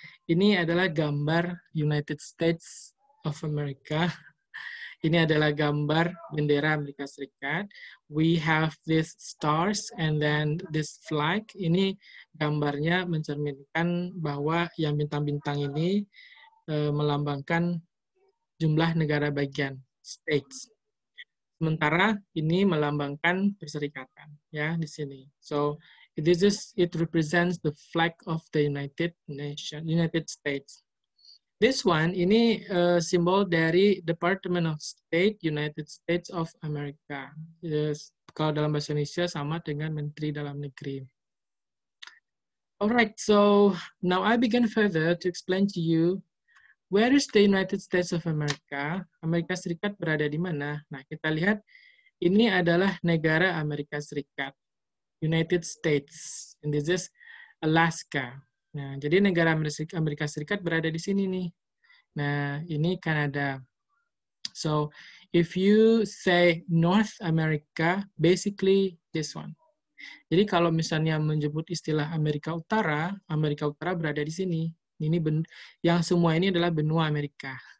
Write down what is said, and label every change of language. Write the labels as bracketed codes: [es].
[id] Ini adalah gambar United States of America. Ini adalah gambar bendera Amerika Serikat. [en] We have these stars and then this flag. [id] Ini gambarnya mencerminkan bahwa yang bintang-bintang ini melambangkan jumlah negara bagian, states. Sementara ini melambangkan perserikatan, ya, di sini. [en] So, it represents the flag of the United Nation, United States. This one, [id] ini simbol dari Department of State, United States of America. Yes, kalau dalam bahasa Indonesia sama dengan Menteri Dalam Negeri. [en] Alright, so now I begin further to explain to you where is the United States of America? [id] Amerika Serikat berada di mana? Nah, kita lihat ini adalah negara Amerika Serikat, United States, [en] and this is Alaska. [id] Nah, jadi negara Amerika Serikat berada di sini nih. Nah, ini Kanada. [en] So, if you say North America, basically this one. [id] Jadi kalau misalnya menyebut istilah Amerika Utara berada di sini. Ini yang semua ini adalah benua Amerika.